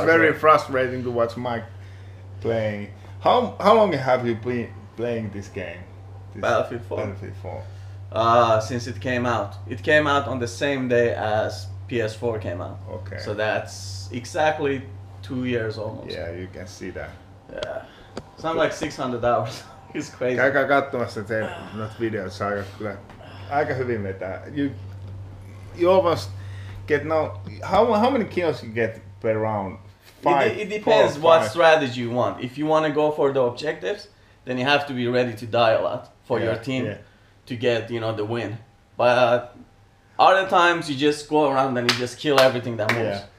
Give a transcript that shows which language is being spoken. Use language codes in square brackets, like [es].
[en] It's very frustrating to watch Mike playing. How long have you been playing this game? Battlefield 4. Since it came out. It came out on the same day as PS4 came out. Okay. So that's exactly 2 years almost. Yeah, you can see that. Yeah. Sound like 600 hours. It's crazy. [fi] Käykää katsomassa teidät videot, saa kyllä aika hyvin vetää. [en] You almost get now. How many kills you get per round? It depends what strategy you want. If you want to go for the objectives, then you have to be ready to die a lot for your team to get, you know, the win. But other times you just go around and you just kill everything that moves. Yeah.